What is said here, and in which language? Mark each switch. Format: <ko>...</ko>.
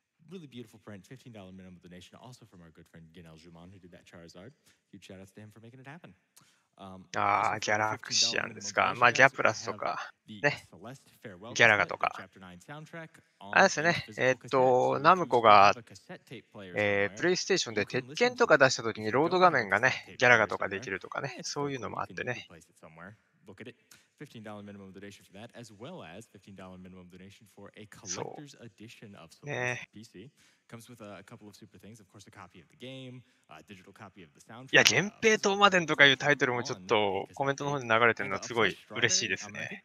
<en>Really beautiful print, $15 minimum donation, also from our good friend Ginel Juman, who did that Charizard. Huge shout out to him for making it happen.</en> <ja>ギャラクシアンですか。まあ、ギャプラスとか、ね、ギャラガとか。あれですよね、ナムコが、プレイステーションで鉄拳とか出したときにロード画面がね、ギャラガとかできるとかね、そういうのもあってね。</ja> <en>$15 minimum donation for that, as well as $15 minimum donation for a collector's edition of PC. Comes with a couple of super things, of course, a copy of the game, a digital copy of the soundtrack.</en> <ja>いや、源平東馬伝とかいうタイトルもちょっとコメントの方で流れてるのはすごい嬉しいですね。</ja>